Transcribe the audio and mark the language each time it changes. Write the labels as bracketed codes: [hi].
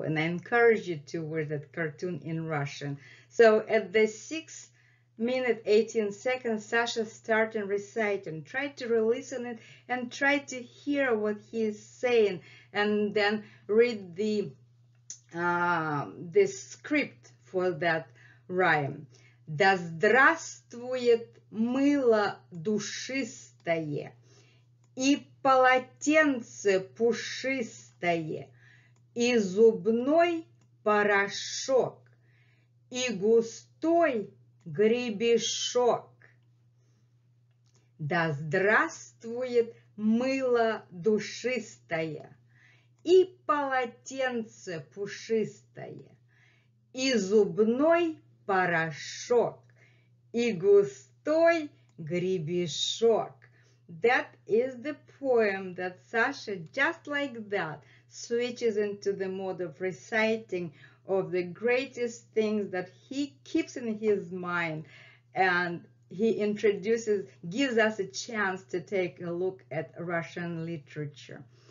[en] And I encourage you to watch that cartoon in Russian. So at the 6:18, Sasha started reciting. Try to re-listen it and try to hear what he is saying. And then read the script for that rhyme. [ru] Да здравствует мыло душистое и полотенце пушистое и зубной порошок и густой гребешок. Да здравствует мыло душистое и полотенце пушистое и зубной порошок, и густой гребешок. [en] That is the poem that Sasha, just like that, switches into the mode of reciting of the greatest things that he keeps in his mind. And he introduces, gives us a chance to take a look at Russian literature.